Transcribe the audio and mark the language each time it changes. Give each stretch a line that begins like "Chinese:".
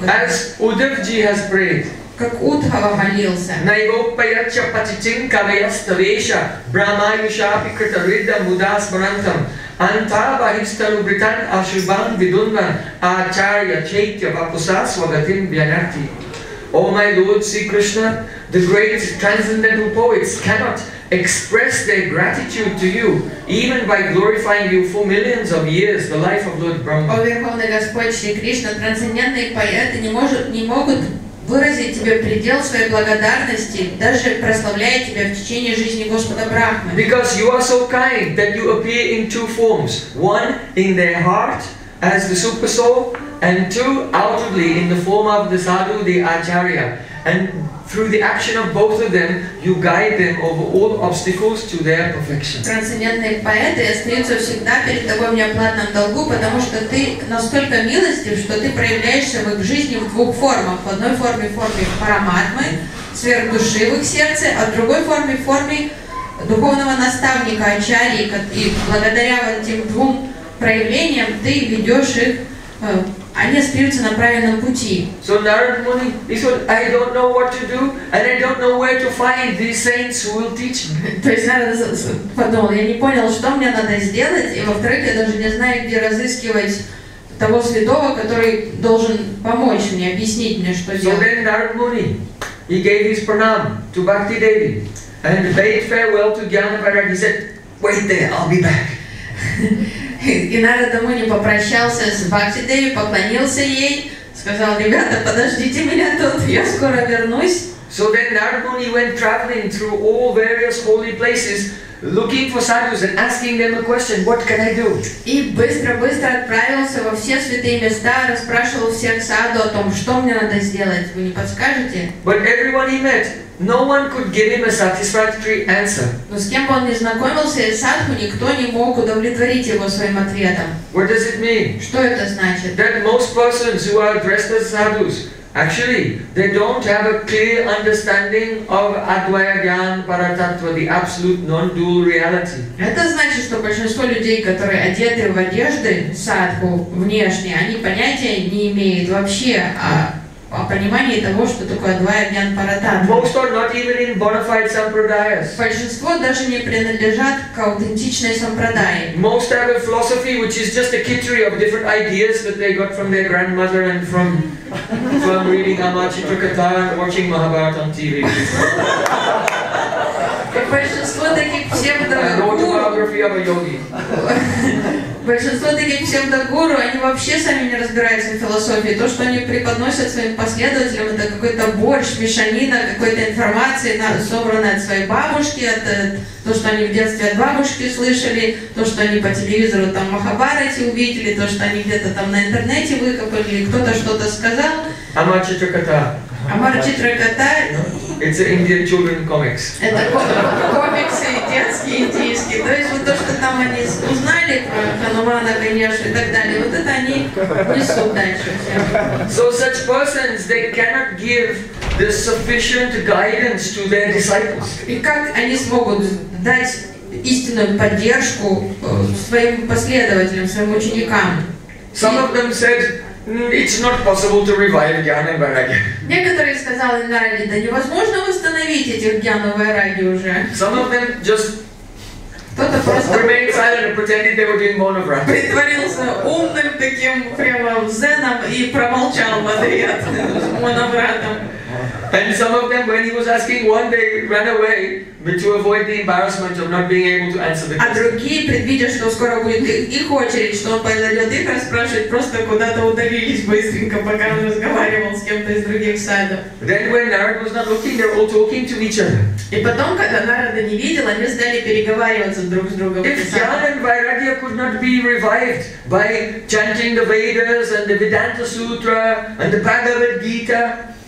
English: As Uddhavji has prayed.
Russian: Как Удхава молился.
Sanskrit: Найопаяча патитин кавеясталеша брамаюша апикрита рида мудас брантам. Антаба хистану британ ашибан видунван ачарья чейтья вапуса свагатин бьянати.
English: О, my Lord, Sri Krishna, the great transcendental poets cannot express their gratitude to you even by glorifying you for millions of years, the life of Lord Brahma.
Russian: О, Верховный Господь, Sri Krishna, трансцендентные поэты не могут выразить тебе предел своей благодарности, даже прославляя тебя в течение жизни Господа Брахмы.
English: Because you are so kind that you appear in two forms: one in their heart as the super soul, and two outwardly in the form of the sadhu, the acharya. And through the action of both of them, you guide them over all obstacles to their perfection.
Russian: Трансцендентные поэты остаются всегда перед тобой в неоплатном долгу, потому что ты настолько милостив, что ты проявляешься в их жизни в двух формах. В одной форме – форме параматмы, сверхдуши в их сердце, а в другой форме – форме духовного наставника, ачарьи. И благодаря этим двум проявлениям ты ведешь их, они остаются на правильном пути.
English: So Narad Muni, he said, I don't know what to do, and I don't know where to find these saints who will teach me.
Russian: То есть Narad подумал, я не понял, что мне надо сделать, и во-вторых, я даже не знаю, где разыскивать того святого, который должен помочь мне, объяснить мне, что делать.
English: So then Narad Muni, he gave his pranam to Bhakti Devi, and bade farewell to Jnana Vairagya. He said, wait there, I'll be back.
Russian: И Нарада Муни попрощался с Бхакти Деви, поклонился ей, сказал, ребята, подождите меня тут, я скоро вернусь.
English: So then Narada Muni went traveling through all various holy places, looking for sadhus and asking them a question, what can I do?
Russian: И быстро-быстро отправился во все святые места, расспрашивал всех садху о том, что мне надо сделать, вы не подскажете?
English: But everyone he met, no one could give him a satisfactory answer.
Russian: Но с кем бы он ни знакомился, садху, никто не мог удовлетворить его своим ответом.
English: What does it mean?
Russian: Что это значит?
English: That most persons who are addressed as sadhus, actually, they don't have a clear understanding of Advaita Gyan Paratattva, the absolute non-dual reality.
Russian: Это значит, что большинство людей, которые одеты в одежды садху внешние, они понятия не имеют вообще о понимании того, что такое Advaita Gyan Paratattva.
English: Most are not even in bona fide sampradayas.
Russian: Большинство даже не принадлежат к аутентичной сампрадае.
English: Most have a philosophy which is just a kittery of different ideas that they got from their grandmother and from reading Amachitrakatha and watching Mahabharata on TV.
Russian: И большинство таких псевдогуру...
English: An autobiography of a yogi.
Russian: Большинство таких псевдогуру, они вообще сами не разбираются в философии. То, что они преподносят своим последователям, это какой-то борщ, мешанина, какой-то информации, собранная от своей бабушки, от то, что они в детстве от бабушки слышали, то, что они по телевизору там Махабарати увидели, то, что они где-то там на интернете выкопали, или кто-то что-то сказал. Амачитракатха. Амачитракатха.
English: It's an Indian children comics.
Russian: Это комиксы детские, индийские. То есть вот то, что там они узнали про Ханумана, Ганешу и так далее, вот это они несут дальше всем.
English: So such persons, they cannot give the sufficient guidance to their disciples.
Russian: И как они смогут дать истинную поддержку своим последователям, своим ученикам?
English: Some of them said, it's not possible to revive Jnana Vairagya.
Russian: Некоторые сказали Нараде, да невозможно восстановить этих Jnana Vairagya уже.
English: Some of them just
Russian: кто-то просто
English: remained silent and pretended they were doing monograph.
Russian: Притворился умным таким прямо зеном и промолчал в ответ монобратом.
English: And some of them, when he was asking one, they ran away to avoid the embarrassment of not being able to answer the question.
Russian: А другие, предвидя, что скоро будет их очередь, что пойдет их расспрашивать, просто куда-то удалились быстренько, пока он разговаривал с кем-то из других садов.
English: Then when Narada was not looking, they were all talking to each other.
Russian: И потом, когда Нарада не видел, они стали переговариваться друг с другом.
English: If Jnana and Vairagya could not be revived by chanting the Vedas and the Vedanta Sutra and the Bhagavad Gita,